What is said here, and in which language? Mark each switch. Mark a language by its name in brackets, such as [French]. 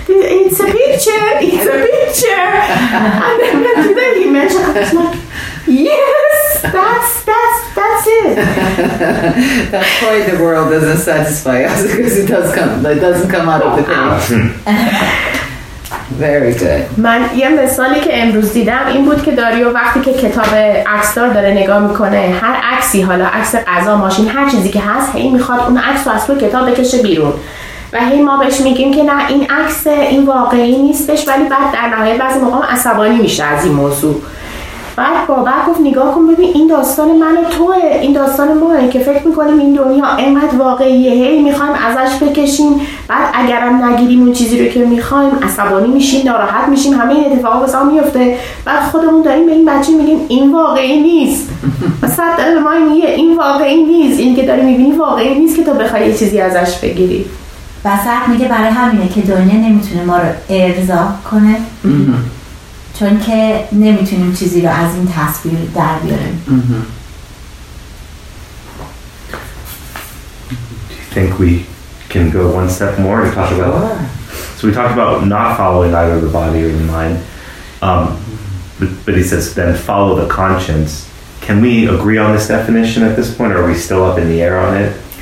[English] It's a picture. It's a picture. And then today he mentioned, it's like, yes, that's it. That's why the world doesn't satisfy us, because it does come, it doesn't come out of the page. Very good. [Persian] من یه مثالی که امروز دیدم این بود که داریو وقتی که کتاب عکسدار داره نگاه میکنه، هر عکسی، حالا عکس قضا، ماشین، هر چیزی که هست، هی میخواد اون عکس رو از تو کتاب بکشه بیرون و هی ما بهش میگیم که نه این عکس، این واقعی نیستش، ولی بعد در نهایت بعضی موقع عصبانی میشه از این موضوع. بعد بابر گفت نگاه کن ببین این داستان من و توه، این داستان ماه که فکر میکنیم این دنیا اینقدر واقعیه، هی میخوایم ازش بکشیم، بعد اگرم نگیریم اون چیزی رو که میخوایم عصبانی میشیم، ناراحت میشیم، همه این اتفاقا واسه ما میفته، بعد خودمون داریم به این بچه میگیم این واقعی نیست، صد در ما میگه این واقعی نیست، این که داری میبینی واقعی نیست که تو بخوای یه چیزی ازش بگیری. بعد میگه برای همینه که دنیا نمیتونه ما رو ارضا کنه، چون که نمیتونیم چیزی رو از این تصویر در بیاریم. [English] Do you think we can go one step more to talk about that? So we talked about not following either the body or the mind, but he says then follow the conscience. Can we agree on this definition at this point, or are we still up in the air on it?